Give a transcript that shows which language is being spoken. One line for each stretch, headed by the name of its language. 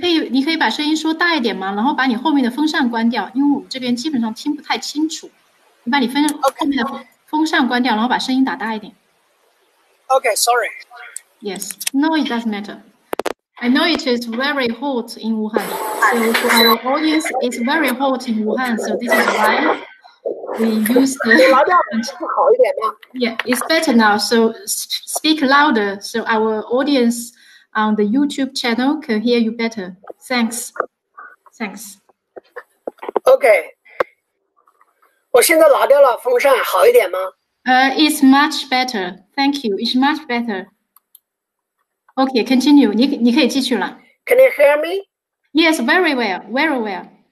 Chinese: 你可以把声音说大一点吗？然后把你后面的风扇关掉，因为我们这边基本上听不太清楚。你把你风后面的风扇关掉，然后把声音打大一点。
English: Okay, sorry. Yes, no, it doesn't matter. I know it is very hot in Wuhan. So for our audience, it's very hot in Wuhan. So this is why we use the... Yeah, it's better now. So speak louder so our audience on the YouTube channel can hear you better. Thanks. Thanks. Okay.
Chinese: 我现在拿掉了风扇，好一点吗？
English: It's much better. Thank you. It's much better. Okay, continue.
Chinese: 你可以继续了。
English: Can you hear me? Yes, very well. Very well.